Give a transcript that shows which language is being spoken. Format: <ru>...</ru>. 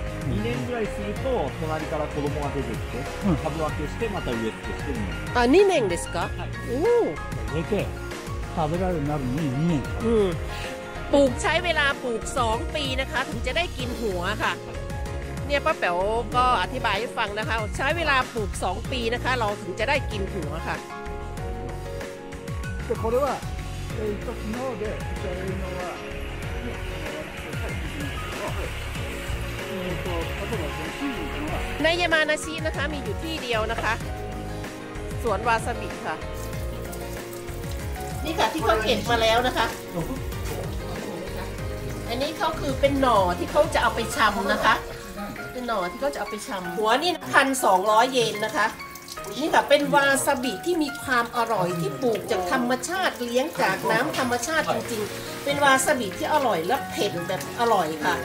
<ja>2年ぐらいすると隣から子供が出てきて、うん、株分けしてまた植え付けしてるの。あ、2年ですか。はい。おお。植えて食べられるになるのに2年かかる。うん。</ja> <th>ปลูกใช้เวลาปลูก2ปีนะคะถึงจะได้กินหัวค่ะเนี่ยป้าแป๋วก็อธิบายให้ฟังนะคะใช้เวลาปลูก2ปีนะคะเราถึงจะได้กินหัวค่ะ</th> <ja>แต่これは1のでというのは</ja> <th>ในยามานาชินะคะมีอยู่ที่เดียวนะคะสวนวาซาบิค่ะนี่ค่ะที่เขาเก็บมาแล้วนะคะอันนี้เขาคือเป็นหน่อที่เขาจะเอาไปชำนะคะเป็นหน่อที่เขาจะเอาไปชำหัวนี่1,200เยนนะคะนี่ค่ะเป็นวาซาบิที่มีความอร่อยที่ปลูกจากธรรมชาติเลี้ยงจากน้ำธรรมชาติจริงๆเป็นวาซาบิที่อร่อยและเผ็ดแบบอร่อยค่ะ</th>